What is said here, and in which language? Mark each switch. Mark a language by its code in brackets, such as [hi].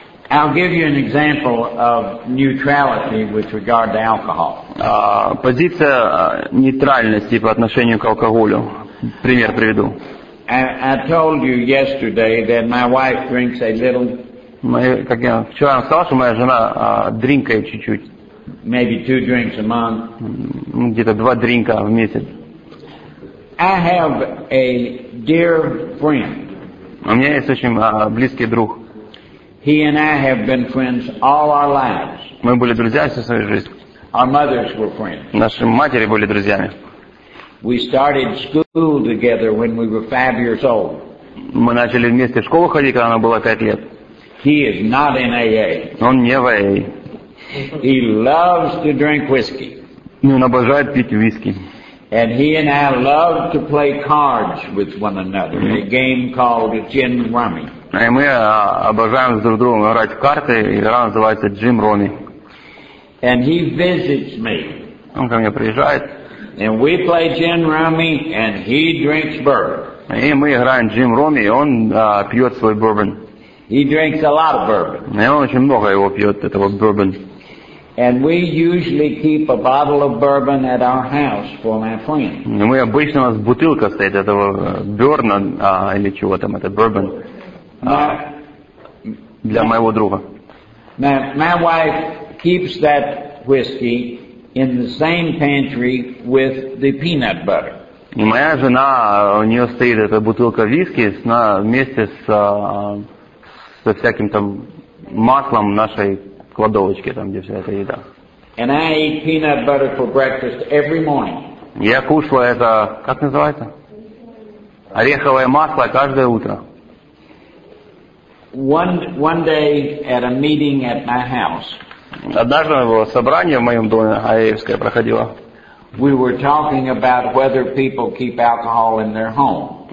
[en] I'll give you an example of neutrality with regard to alcohol. [ru] Позиция нейтральности по отношению к алкоголю. Пример приведу. [en] I told you yesterday that my wife drinks a little [ru] как я вчера вам сказал, что моя жена дринкает чуть-чуть. [en] Maybe two drinks a month. [ru] Где-то два дринка в месяц. [en] I have a dear friend. [ru] У меня есть очень близкий друг. [en] He and I have been friends all our lives. [ru] Мы были друзья всю свою жизнь. [en] Our mothers were friends. [ru] Наши матери были друзьями. [en] We started school together when we were 5 years old. [ru] Мы начали вместе в школу ходить, когда она была 5 лет. [en] He is not in AA. [ru] Он не в AA. [en] He loves to drink whiskey. [ru] Он обожает пить виски. [en] And he and I love to play cards with one another, a game called Gin Rummy. [ru] И мы обожаем друг другом играть в карты, игра называется Gin Rummy. [en] And he visits me. [ru] Он ко мне приезжает. [en] And we play Gin Rummy, and he drinks bourbon. [ru] И мы играем Gin Rummy, и он пьет свой бурбон. [en] He drinks a lot of bourbon. [ru] И он очень много его пьет, этого бурбон. [en] And we usually keep a bottle of bourbon at our house for my friend. [ru] И мы обычно у нас бутылка стоит этого бёрна или чего там это бурбон для моего друга. [en] My wife keeps that whiskey in the same pantry with the peanut butter. [ru] И моя жена, у неё стоит эта бутылка виски вместе со всяким там маслом нашей кладовочки там, где вся эта еда. [en] And I eat peanut butter for breakfast every morning. [ru] Я кушал это, как называется? Ореховое масло каждое утро. [en] One day at a meeting at my house. [ru] Однажды было собрание в моем доме, Аевское проходило. [en] We were talking about whether people keep alcohol in their home.